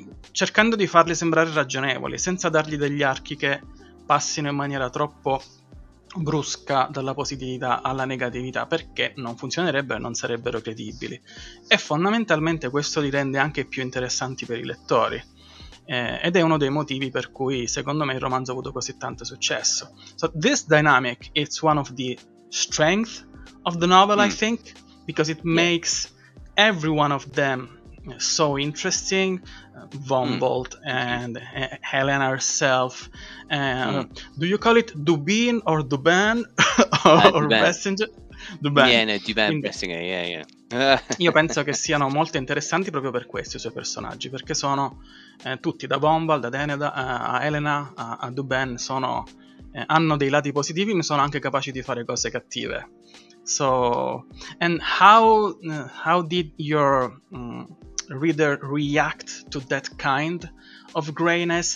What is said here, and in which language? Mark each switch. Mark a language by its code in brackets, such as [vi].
[it] cercando di farli sembrare ragionevoli senza dargli degli archi che passino in maniera troppo brusca dalla positività alla negatività, perché non funzionerebbero e non sarebbero credibili. E fondamentalmente questo li rende anche più interessanti per i lettori, ed è uno dei motivi per cui secondo me il romanzo ha avuto così tanto successo. [en] So this dynamic is one of the strength of the novel, I think, because it makes every one of them so interesting. Von Bolt and Helena herself. Do you call it Dubin or Duban? Or Messenger? Duban. Yeah, no, Duban Messenger, yeah. [it] Io penso che siano molto interessanti proprio per questi suoi personaggi, perché sono tutti, da Von Bolt, da Deneda, a Helena, a Duban, hanno dei lati positivi, ma sono anche capaci di fare cose cattive. [en] So, and how did your reader react to that kind of grayness?